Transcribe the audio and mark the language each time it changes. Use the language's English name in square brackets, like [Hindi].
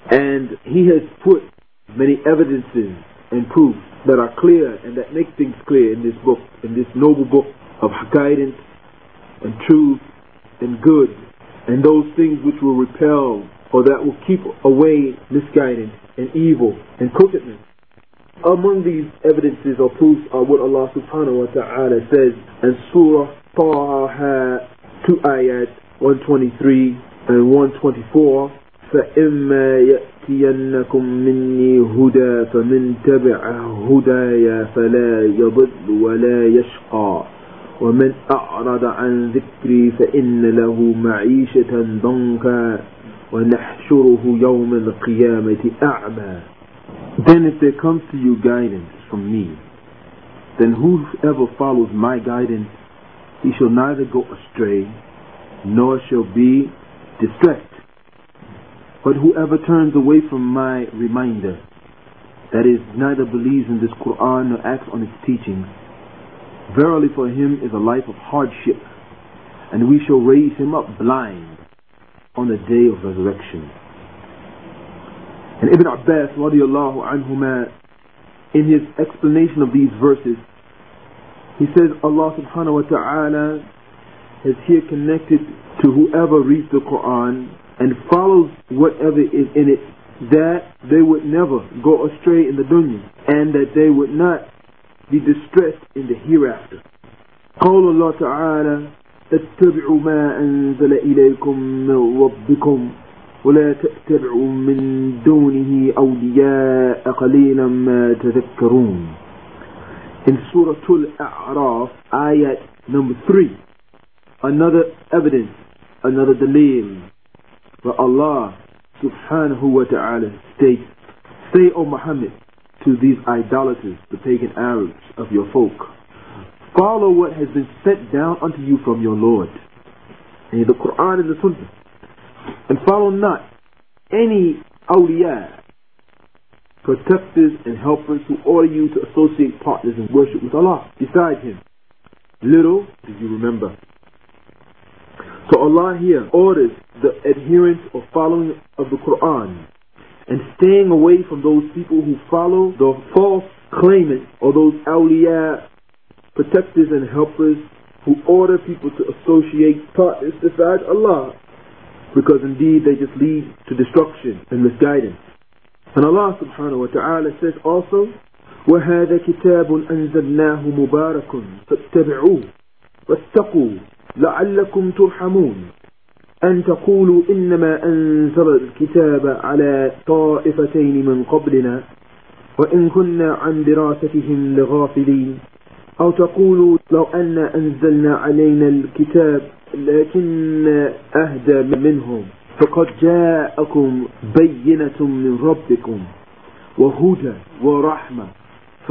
[English] And he has put many evidences and proofs that are clear and that make things clear in this book, in this noble book of guidance and truth and good, and those things which will repel or that will keep away misguidance and evil and crookedness. Among these evidences or proofs are what Allah subhanahu wa ta'ala says in Surah Taha, 2 ayat 123 and 124, [Arabic] فَإِمَّا يَأْتِيَنَّكُم مِّنِّي هُدَى فَمِنْ تَبِعَ هُدَايَ فَلَا يَضِلُّ وَلَا يَشْقَى وَمَنْ أَعْرَضَ عَنْ ذِكْرِي فَإِنَّ لَهُ مَعِيشَةً ضَنْكًا وَنَحْشُرُهُ يَوْمَ الْقِيَامَةِ أَعْمَى. [English] Then if there comes to you guidance from me, then whoever follows my guidance, he shall neither go astray, nor shall be distressed. But whoever turns away from my reminder, that is, neither believes in this Quran nor acts on its teachings, verily for him is a life of hardship, and we shall raise him up blind on the day of resurrection. And Ibn Abbas radiallahu anhuma, in his explanation of these verses, he says Allah subhanahu wa ta'ala is here connected to whoever reads the Quran and follows whatever is in it, that they would never go astray in the dunya and that they would not be distressed in the hereafter. [Arabic] Qawla Allah ta'ala, اتبعوا ما أنزل إليكم من ربكم ولا تتبعوا من دونه أولياء قليلا ما تذكرون. [English] In Surah Al-A'raf, Ayat number 3, another evidence, another delim, where Allah subhanahu wa ta'ala states, say, O Muhammad, to these idolaters, the pagan Arabs of your folk, follow what has been sent down unto you from your Lord, and the Quran and the Sunnah, and follow not any awliya, protectors and helpers who order you to associate partners in worship with Allah beside him. Little do you remember. So Allah here orders the adherence or following of the Quran and staying away from those people who follow the false claimant or those awliya, protectors and helpers who order people to associate partners beside Allah, because indeed they just lead to destruction and misguidance. And Allah subhanahu wa ta'ala says also, [Arabic] وَهَذَا كِتَابٌ أَنزَلْنَاهُ مُبَارَكٌ فَاتَّبِعُوهُ وَاتَّقُوا لَعَلَّكُمْ تُرْحَمُونَ أَن تَقُولُوا إِنَّمَا أَنزَلَ الْكِتَابَ عَلَى طَائِفَتَيْنِ مِن قَبْلِنَا وَإِن كُنَّا عَن دِرَاسَتِهِمْ لَغَافِلِينَ أَوْ تَقُولُوا لَوْ أَنَّا أَنزَلْنَا عَلَيْنَا الْكِتَابَ لكن أهدى منهم فقد جاءكم بينة من ربكم وهدى ورحمة ف